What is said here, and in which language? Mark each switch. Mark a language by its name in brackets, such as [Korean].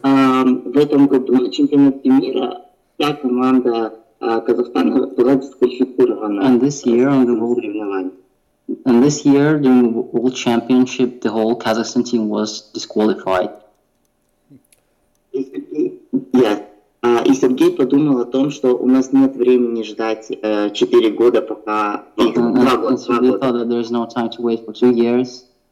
[Russian] В этом году на чемпионате мира вся команда Казахстана была дисквалифицирована. [English] And this year during the World Championship, the whole Kazakhstan team was disqualified. Yeah. [Russian] И Сергей подумал о том, что у нас нет времени ждать 4 года, пока... [English] And so thought that there's no time to wait for 2 years.